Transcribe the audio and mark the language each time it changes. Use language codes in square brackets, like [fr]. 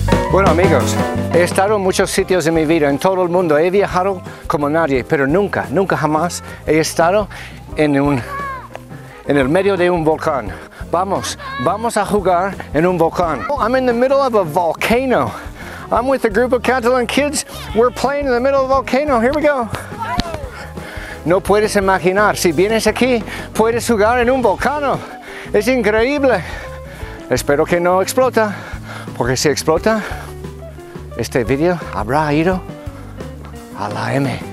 [es] Bueno, amigos, he estado en muchos sitios en mi vida, en todo el mundo. He viajado como nadie, pero nunca, nunca jamás he estado en el medio de un volcán. Vamos, vamos a jugar en un volcán. [en] Oh, I'm in the middle of a volcano. I'm with a group of Catalan kids. We're playing in the middle of a volcano. Here we go. [es] No puedes imaginar, si vienes aquí, puedes jugar en un volcano. Es increíble. Espero que no explota. Porque si explota, este vídeo habrá ido a la M.